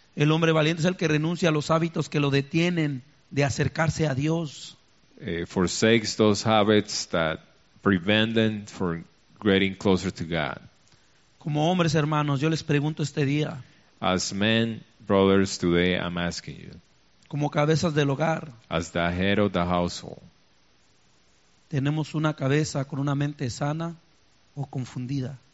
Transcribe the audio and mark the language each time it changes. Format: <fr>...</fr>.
<es>El hombre valiente es el que renuncia a los hábitos que lo detienen de acercarse a Dios.</es> <en>Forsakes those habits that prevent them from getting closer to God.</en> <es>Como hombres, hermanos, yo les pregunto este día.</es> <en>As men, brothers, today I'm asking you.</en> <es>Como cabezas del hogar.</es> <en>As the head of the household.</en> <es>¿Tenemos una cabeza con una mente sana o confundida?</es>